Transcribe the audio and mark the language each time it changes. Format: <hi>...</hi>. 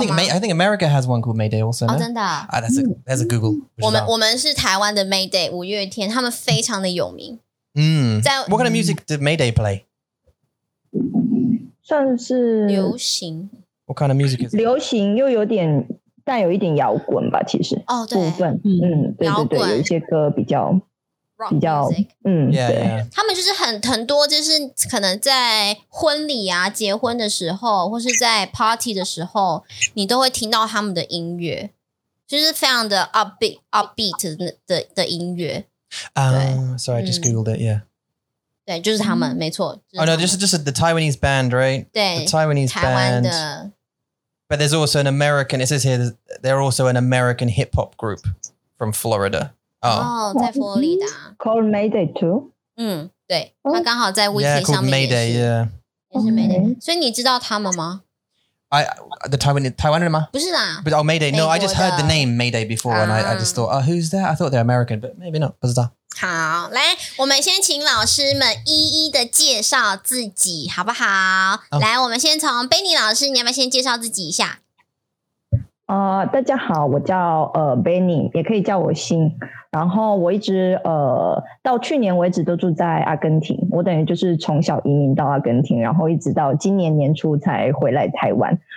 <en>？I think I think America has one called Mayday also.</en> <zh>哦，真的。</zh> <en>That's a Google.</en> <zh>我们是台湾的 Mayday， 五月天，他们非常的有名。嗯。</zh> <en>在 What kind of music did Mayday play?</en> <zh>算是流行</zh> <en>What kind of music is it?</en> <zh>流行又有点但有一点摇滚吧其实哦、 oh, 对部分 嗯摇滚对对对有一些歌比较</zh> <en>Rock music 嗯 yeah,</en> <zh>对</zh> <en>yeah.</en> <zh>他们就是很多就是可能在婚礼啊结婚的时候或是在 party 的时候你都会听到他们的音乐就是非常的 upbeat 的音乐、</zh> <en>Sorry I just googled it yeah</en> <zh>对，就是他们，没错。</zh> <en>Oh no, just the Taiwanese band, right?</en> <zh>对</zh> <en>，the Taiwanese band. But there's also an American. It says here they're also an American hip hop group from Florida.</en> <zh>Oh, 在佛罗里达。</zh> <en>Called Mayday too.</en> <zh>嗯，对，他刚好在 Wiki 上面。</zh> <en>Yeah, called Mayday. Yeah.</en> <zh>也是 Mayday. 所以你知道他们吗？台湾人吗？不是啦。</zh> <en>But oh, Mayday. No, I just heard the name Mayday before, and I just thought, oh, who's that? I thought they're American, but maybe not.</en> <zh>不知道。好，来，我们先请老师们一一的介绍自己，好不好？ Oh. 来，我们先从 Benny 老师，你要不要先介绍自己一下？大家好，我叫Benny， 也可以叫我星。然后我一直到去年为止都住在阿根廷，我等于就是从小移民到阿根廷，然后一直到今年年初才回来台湾。</zh>